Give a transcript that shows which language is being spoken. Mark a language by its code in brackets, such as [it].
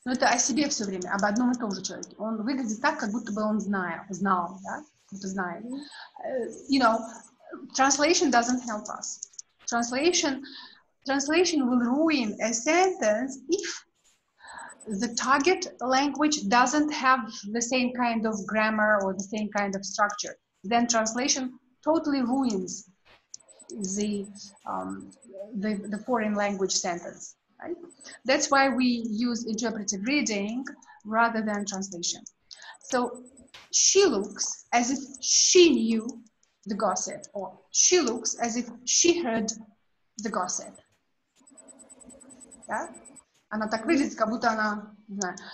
[ru] Ну, это о себе все время, об одном и том же человеке. Он выглядит так, как будто бы он знал, да? Будто знает. [en] You know, translation doesn't help us. Translation will ruin a sentence if the target language doesn't have the same kind of grammar or the same kind of structure. Then translation totally ruins the foreign language sentence. Right? That's why we use interpretive reading rather than translation. So she looks as if she knew the gossip, or she looks as if she heard the gossip. Yeah? [ru] Она так выглядит, как будто она, не знаю.